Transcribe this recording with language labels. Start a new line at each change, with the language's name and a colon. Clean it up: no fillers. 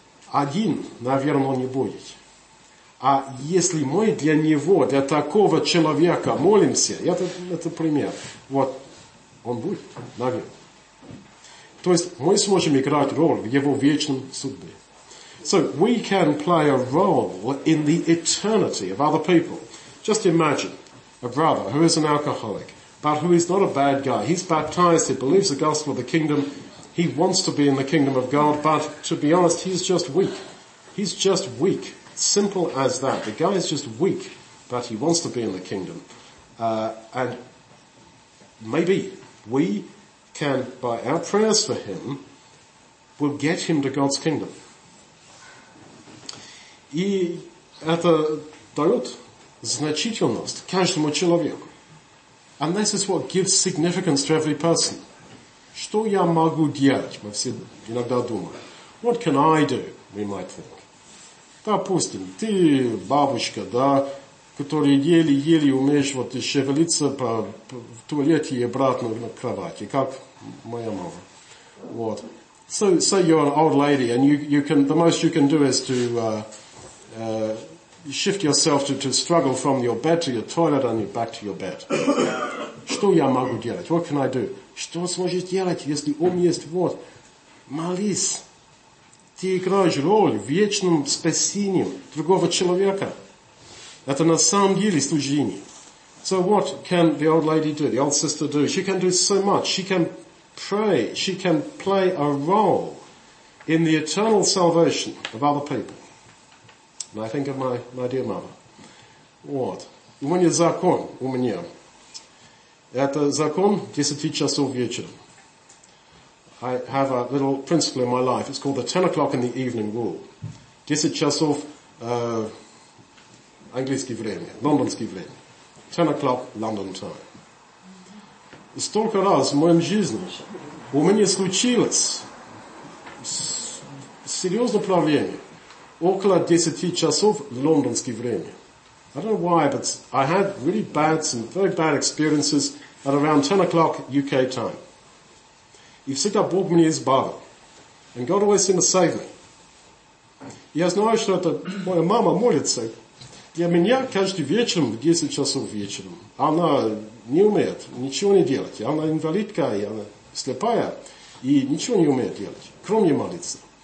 Russian: Один, наверное, он не будет. А если мы для него, для такого человека молимся, это пример, вот, он будет, наверное. То есть мы сможем играть роль в его вечном судьбе.
English: So we can play a role in the eternity of other people. Just imagine a brother who is an alcoholic, but who is not a bad guy. He's baptized, he believes the gospel of the kingdom, he wants to be in the kingdom of God, but to be honest, he's just weak. He's just weak. Simple as that. The guy is just weak, but he wants to be in the kingdom. And maybe we can, by our prayers for him, will get him to God's kingdom.
Russian: И это дает значительность каждому человеку.
English: And this is what gives significance to every person.
Russian: Что я могу делать? Мы все иногда думаем.
English: What can I do? We might think.
Russian: Допустим, ты бабушка, да, которая еле-еле умеешь вот шевелиться в туалете и обратно на кровати, как моя мама. Вот.
English: So, say you're an old lady, and you can, the most you can do is to shift yourself to struggle from your bed to your toilet and back to your bed.
Russian: Что я могу делать?
English: What can I do?
Russian: Что сможешь делать, если ум есть вот? Молись. Ты играешь роль в вечном спасении другого человека. Это на самом деле служение.
English: So what can the old lady do, the old sister do? She can do so much. She can pray. She can play a role in the eternal salvation of other people. And I think of my dear mother.
Russian: Вот. У меня закон, у меня. Это закон 10 часов вечера.
English: I have a little principle in my life. It's called the 10 o'clock in the evening rule.
Russian: 10 часов английское время, лондонское время.
English: 10 o'clock London time.
Russian: Столько раз в моем жизни у меня случилось серьезное проблемы около 10 часов лондонское время.
English: I don't know why, but I had really bad, some very bad experiences at around 10 o'clock UK time.
Russian: И всегда Бог меня избавил.
English: And God always seemed to save me.
Russian: Я знаю, что это моя мама молится для меня каждый вечер в 10 часов вечером. Она не умеет ничего не делать. Она инвалидка, и она слепая, и ничего не умеет делать, кроме молиться.